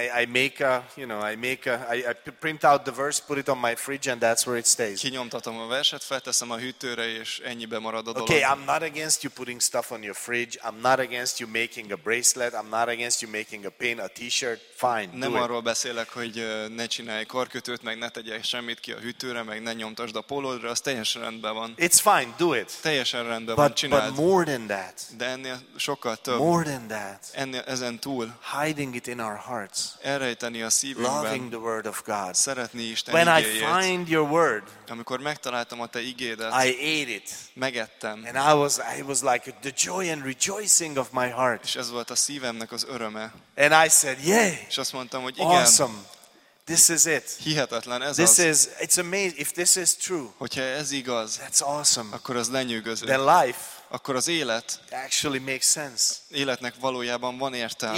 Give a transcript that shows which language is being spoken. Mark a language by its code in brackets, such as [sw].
[en] I make a, you know, I make a, I print out the verse, put it on my fridge, and that's where it stays. [hu] Kinyomtatom a verset, felteszem a hűtőre, és ennyibe marad a dolog. [en] Okay, I'm not against you putting stuff on your fridge. I'm not against you making a bracelet. I'm not against you making a pin, a t-shirt. Fine, [hu] nem arról beszélek, hogy ne csinálj karkötőt, meg ne tegyél semmit ki a hűtőre, meg ne nyomtasd a pólódra, az teljesen rendben van. [en] It's fine, do it. [hu] Teljesen rendben [en] but, [hu] van, csináld. [en] But more than that. [hu] De ennél sokkal több. [en] More than that. [hu] Ennél, ezen túl. [en] hiding it in our hearts, [hu] elrejteni a szívünkben, [en] loving the word of God. [hu] Szeretni Isten [en] when [hu] igéjét, [en] I find your word, [hu] amikor megtaláltam a te igédet, [en] I ate it, [hu] megettem, [en] and I was like the joy and rejoicing of my heart. [hu] És ez volt a szívemnek az öröme. [en] And I said, yeah, [hu] és azt mondtam, hogy igen, [en] awesome. This is it. [hu] Hihetetlen, ez [en] this [hu] az. [en] Is, it's amazing. If this is true, [hu] hogyha ez igaz, [en] that's awesome. [hu] Akkor az lenyűgöző. [en] Then life, [hu] akkor az élet, [en] actually makes sense. [hu] Életnek valójában van értelme.